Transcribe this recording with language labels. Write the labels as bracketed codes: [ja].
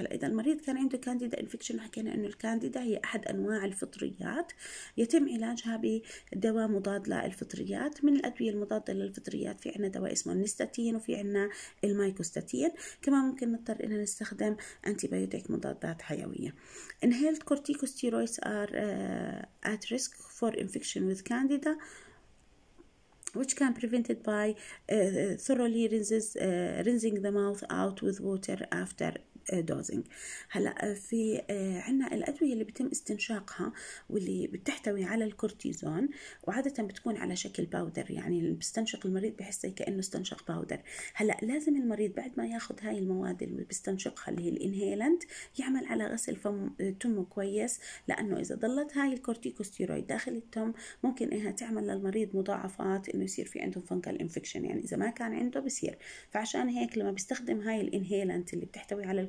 [ar] هلا إذا المريض كان عنده [en] candida infection [ar] حكينا إنه الكانديدا هي أحد أنواع الفطريات يتم علاجها بدواء مضاد للفطريات. من الأدوية المضادة للفطريات في عنا دواء اسمه النستاتين وفي عنا المايكوستاتين، كمان ممكن نضطر إننا نستخدم antibiotic مضادات حيوية. [en] Inhaled corticosteroids are at risk for infection with candida which can be prevented by thoroughly rinsing the mouth out with water after dosing. [ar] هلا في عنا الأدوية اللي بتم استنشاقها واللي بتحتوي على الكورتيزون وعادة بتكون على شكل باودر، يعني اللي بيستنشق المريض بحس زي كأنه استنشق باودر. هلا لازم المريض بعد ما ياخذ هاي المواد اللي بيستنشقها اللي هي الانهيلنت يعمل على غسل تمه كويس، لأنه إذا ضلت هاي الكورتيكوستيرويد داخل التم ممكن إنها تعمل للمريض مضاعفات إنه يصير في عنده [en] فنجال انفكشن، [ar] يعني إذا ما كان عنده بصير. فعشان هيك لما بيستخدم هاي الانهيلنت اللي بتحتوي على